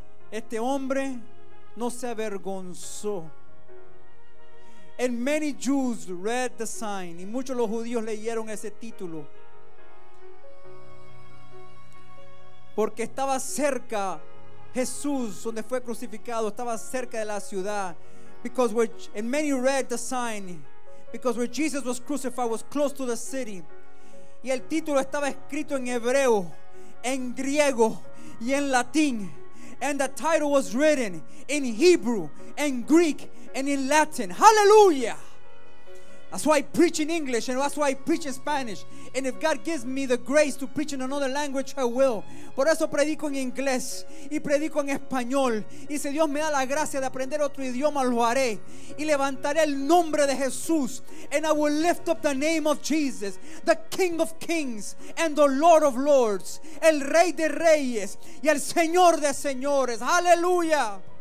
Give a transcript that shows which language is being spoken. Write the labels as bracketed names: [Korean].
[Spanish] Este hombre no se avergonzó. [English] And many Jews read the sign. [Spanish] Y muchos los judíos leyeron ese título. Porque estaba cerca Jesús, donde fue crucificado, estaba cerca de la ciudad. [English] And many read the sign. Because where Jesus was crucified was close to the city. [Spanish] Y el título estaba escrito en hebreo, en griego y en latín. [English] And the title was written in Hebrew, in Greek, and in Latin. Hallelujah! That's why I preach in English, and that's why I preach in Spanish. And if God gives me the grace to preach in another language, I will. [Spanish] Por eso predico en inglés y predico en español. Y si Dios me da la gracia de aprender otro idioma, lo haré. Y levantaré el nombre de Jesús. [English] And I will lift up the name of Jesus, the King of Kings and the Lord of Lords, [Spanish] el Rey de Reyes y el Señor de Señores. [English] Hallelujah.